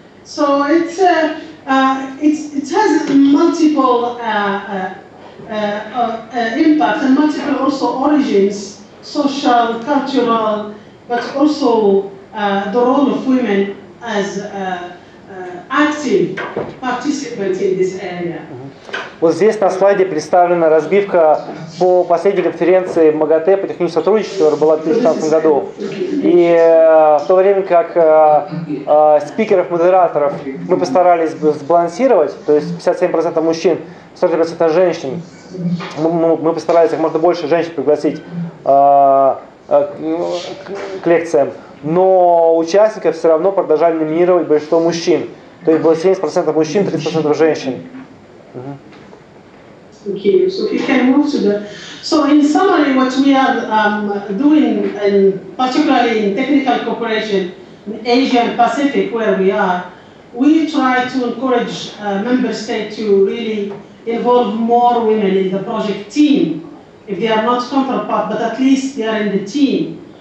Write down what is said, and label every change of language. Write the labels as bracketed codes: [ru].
[en] So it has multiple impact and multiple also origins, social, cultural, but also the role of women as active participants in this area. [ru] Вот здесь на слайде представлена разбивка по последней конференции МАГАТЭ по техническому сотрудничеству, которая была в 2016 году. И в то время как спикеров-модераторов мы постарались сбалансировать, то есть 57% мужчин, 40% женщин, мы постарались как можно больше женщин пригласить к лекциям, но участников все равно продолжали номинировать большинство мужчин. То есть было 70% мужчин, 30% женщин. [en] Okay, so if you can move to the. So in summary, what we are doing, and particularly in technical cooperation in Asia and Pacific, where we are, we try to encourage member states to really involve more women in the project team, if they are not counterpart, but at least they are in the team.